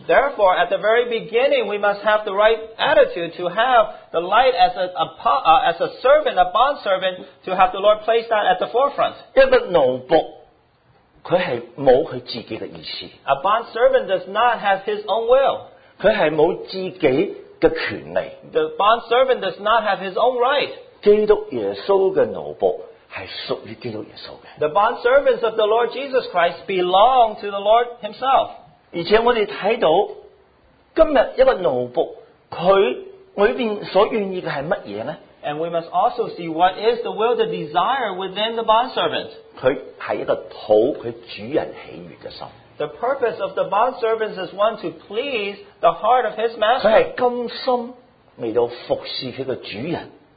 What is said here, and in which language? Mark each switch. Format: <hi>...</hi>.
<en>Therefore, at the very beginning, we must have the right attitude to have the light as a servant, a bond servant, to have the Lord place that at the forefront.</en> <zh>一个奴仆, 他是没有他自己的意思,</zh> <en>a bond servant does not have his own will.</en> <zh>他是没有自己的权利,</zh> <en>the bond servant does not have his own right.</en> <zh>基督耶稣的奴仆,</zh> <en>The bond servants of the Lord Jesus Christ belong to the Lord Himself.</en> <zh>而且我们看到今天一个奴仆，他里面所愿意的是什么呢？</zh> <en>And we must also see what is the will, the desire within the bond servant.</en> <zh>他是一个讨他主人喜悦的心。</zh> <en>The purpose of the bond servants is one to please the heart of his master.</en> <zh>他是甘心来服侍他的主人。</zh>